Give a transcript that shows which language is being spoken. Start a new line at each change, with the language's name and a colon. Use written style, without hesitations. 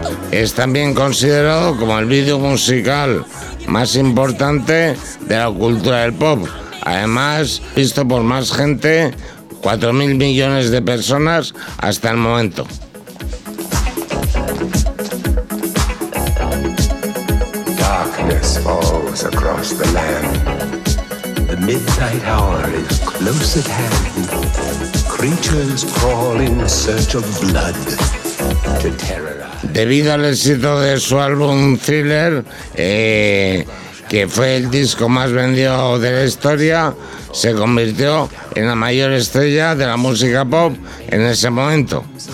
Spanish: Es también considerado como el video musical más importante de la cultura del pop, además visto por más gente, 4.000 millones de personas hasta el momento.
English: Darkness falls across the land. The midnight hour is close at hand. Creatures crawl in search of blood to terrorize.
Spanish: Debido al éxito de su álbum Thriller, que fue el disco más vendido de la historia, se convirtió en la mayor estrella de la música pop en ese momento.